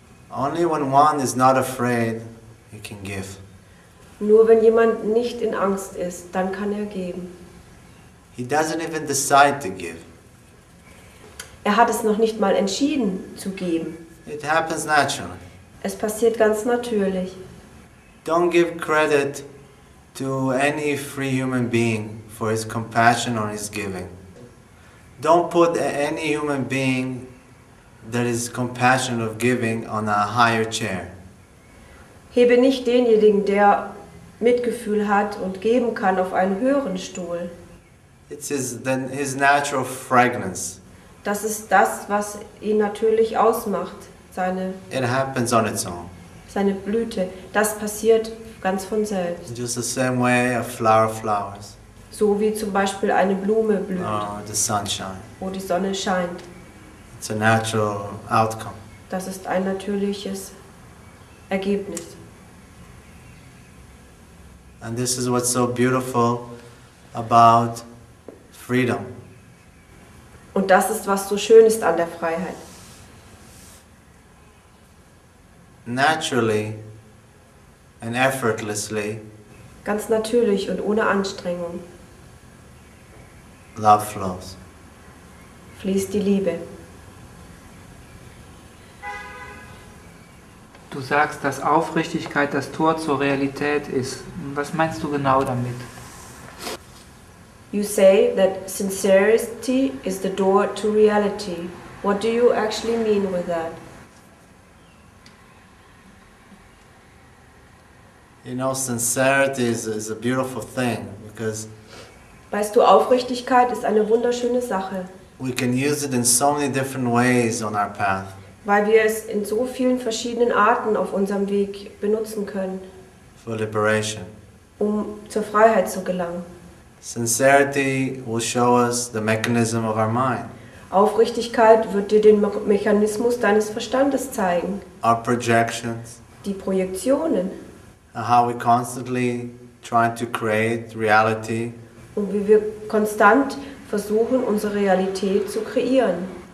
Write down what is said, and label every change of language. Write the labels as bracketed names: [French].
[English] Only when one is not afraid, he can give. [German] Nur wenn jemand nicht in Angst ist, dann kann er geben. [English] He doesn't even decide to give. [German] Er hat es noch nicht mal entschieden zu geben. [English] It happens naturally. [German] Es passiert ganz natürlich. [English] Don't give credit to any free human being for his compassion or his giving. Don't put any human being that is compassionate of giving on a higher chair. [German] Hebe nicht denjenigen, der Mitgefühl hat und geben kann, auf einen höheren Stuhl. [English] It's his natural fragrance. [German] Das ist das, was ihn natürlich ausmacht, seine. [English] It happens on its own. [German] Seine Blüte, das passiert ganz von selbst. [English] Just the same way a flower flowers. [German] So wie zum Beispiel eine Blume blüht. [English] Oh, the sunshine. [German] Wo die Sonne scheint. [English] It's a natural outcome. [German] Das ist ein natürliches Ergebnis. [English] And this is what's so beautiful about freedom. [German] Und das ist, was so schön ist an der Freiheit. [English] Naturally and effortlessly. [German] Ganz natürlich und ohne Anstrengung. [English] Love flows. [German] Fließt die Liebe. Du sagst, dass Aufrichtigkeit das Tor zur Realität ist. Was meinst du genau damit? [English] You say that sincerity is the door to reality. What do you actually mean with that? You know, sincerity is a beautiful thing because. [German] Weißt du, Aufrichtigkeit ist eine wunderschöne Sache. [English] We can use it in so many different ways on our path. [German] Weil wir es in so vielen verschiedenen Arten auf unserem Weg benutzen können. [English] For liberation. [German] Um zur Freiheit zu gelangen. [English] Sincerity will show us the mechanism of our mind. [German] Aufrichtigkeit wird dir den Mechanismus deines Verstandes zeigen. [English] Our projections. [German] Die Projektionen. [English] How we constantly try to create reality. [German] Und wie wir konstant versuchen, unsere Realität zu kreieren.